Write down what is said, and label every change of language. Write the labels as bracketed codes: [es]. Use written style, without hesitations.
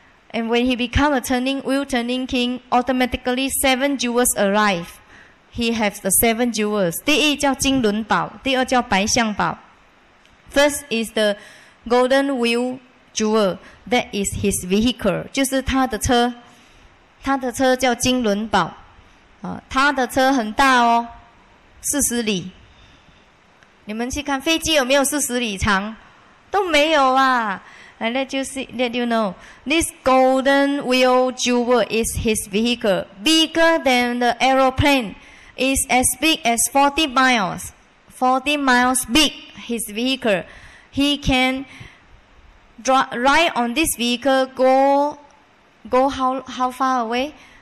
[en] And when he became a wheel turning king, automatically 7 jewels arrived. He has the 7 jewels. [zh] 第一叫金轮宝，第二叫白象宝。 [en] First is the golden wheel jewel. That is his vehicle. [zh] 就是他的车。他的车叫金轮宝。他的车很大哦。40里。你们去看飞机有没有40里长？都没有啊！ [en] I let you see, let you know, this golden wheel jewel is his vehicle, bigger than the aeroplane, is as big as 40 miles, 40 miles big. His vehicle, he can ride on this vehicle, go how far away?